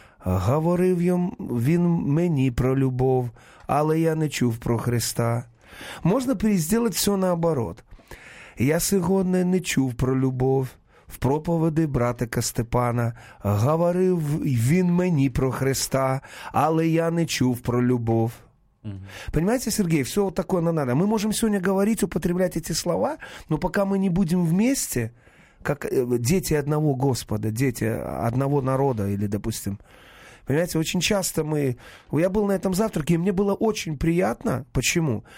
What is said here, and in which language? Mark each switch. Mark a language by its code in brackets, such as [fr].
[uk] Говорив він мені про любов, але я не чув про Христа». [ru] Можно переделать все наоборот. «Я сегодня [uk] не чув про любов [ru] в проповеди братика Степана. [uk] Говорив він мені про Христа, але я не чув про любов». [ru] Понимаете, Сергей, все вот такое на надо. Мы можем сегодня говорить, употреблять эти слова, но пока мы не будем вместе, как дети одного Господа, дети одного народа, или, допустим, понимаете, очень часто мы... Я был на этом завтраке, и мне было очень приятно. Почему?